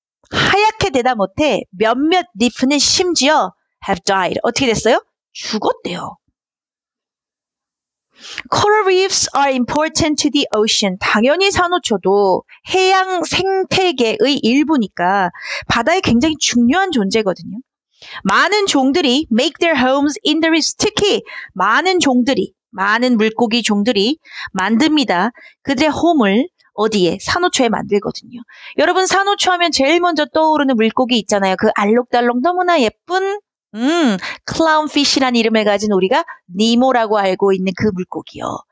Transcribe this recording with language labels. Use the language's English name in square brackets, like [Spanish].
[Korean] 하얗게 되다 못해 몇몇 리프는 심지어 [English] have died. [Korean] 어떻게 됐어요? 죽었대요. [English] Coral reefs are important to the ocean. [Korean] 당연히 산호초도 해양 생태계의 일부니까 바다에 굉장히 중요한 존재거든요. 많은 종들이 [English] make their homes in the reefs. [Korean] 특히 많은 종들이, 많은 물고기 종들이 만듭니다. 그들의 홈을 어디에? 산호초에 만들거든요. 여러분 산호초 하면 제일 먼저 떠오르는 물고기 있잖아요. 그 알록달록 너무나 예쁜 클라운피시라는 이름을 가진 우리가 니모라고 알고 있는 그 물고기요.